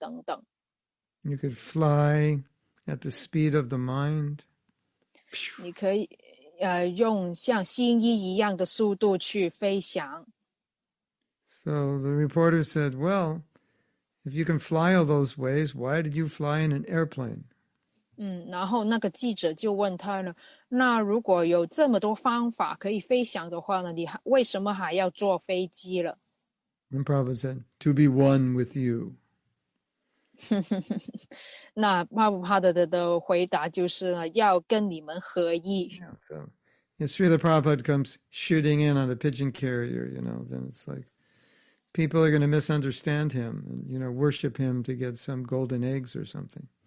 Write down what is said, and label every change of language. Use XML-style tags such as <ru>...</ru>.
<en>could fly at the speed of the mind.</en> <zh>你可以用像星一一样的速度去飞翔。</zh> <en>So the reporter said, well, if you can fly all those ways, why did you fly in an airplane?</en> <zh>然后那个记者就问他了，那如果有这么多方法可以飞翔的话呢，你为什么还要坐飞机了？</zh> <en>And Prabhupada said, to be one with you.</en> <zh>那帕布帕德的回答就是要跟你们合一。</zh> <en>Yeah, so, if Srila Prabhupada comes shooting in on a pigeon carrier, you know, then it's like, people are going to misunderstand him and, you know, worship him to get some golden eggs or something.</en>